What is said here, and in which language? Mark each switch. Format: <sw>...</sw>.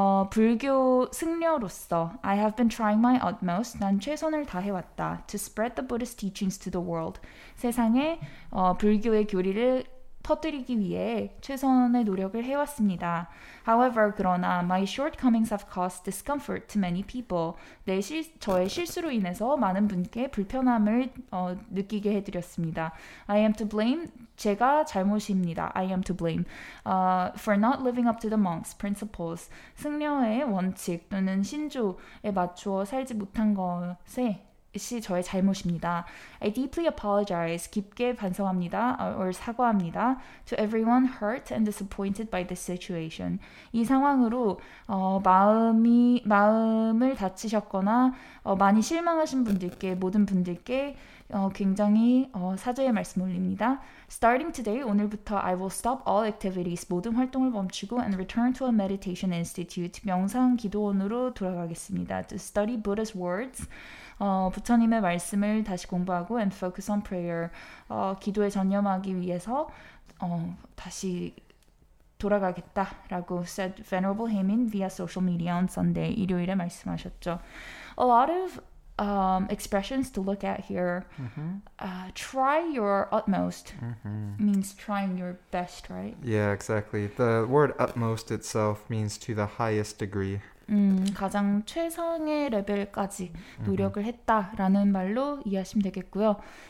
<ko>불교 승려로서</ko> <en>I have been trying my utmost,</en> <ko>난 최선을 다해왔다,</ko> <en>to spread the Buddhist teachings to the world.</en> <ko>세상에 불교의 교리를 퍼뜨리기 위해 최선의 노력을 해왔습니다.</ko> <en>However,</en> <ko>그러나</ko> <en>my shortcomings have caused discomfort to many people.</en> <ko>저의 실수로 인해서 많은 분께 불편함을 느끼게 해드렸습니다.</ko> <en>I am to blame.</en> <ko>제가 잘못입니다.</ko> <en>I am to blame for not living up to the monk's principles.</en> <ko>승려의 원칙 또는 신조에 맞추어 살지 못한 것에 시 저의 잘못입니다.</ko> <en>I deeply apologize.</en> <ko>깊게 반성합니다.</ko> <en>Or</en> <ko>사과합니다.</ko> <en>To everyone hurt and disappointed by this situation.</en> <ko>이 상황으로 마음을 다치셨거나 많이 실망하신 분들께 모든 분들께 굉장히 사죄의 말씀 올립니다.</ko> <en>Starting today,</en> <ko>오늘부터</ko> <en>I will stop all activities,</en> <ko>모든 활동을 멈추고</ko> <en>and return to a meditation institute,</en> <ko>명상 기도원으로 돌아가겠습니다.</ko> <en>To study Buddha's words,</en> <ko>부처님의 말씀을 다시 공부하고</ko> <en>and focus on prayer,</en> <ko>기도에 전념하기 위해서 다시 돌아가겠다라고</ko> <en>said Venerable Haemin via social media on Sunday,</en> <ko>일요일에 말씀하셨죠.</ko> <en>A lot of expressions to look at here. Mm-hmm. Try your utmost mm-hmm. means trying your best, right? Yeah, exactly. The word utmost itself means to the highest degree.</en> <ko>가장 최상의 레벨까지 노력을 mm-hmm. 했다라는 말로 이해하시면 되겠고요.</ko>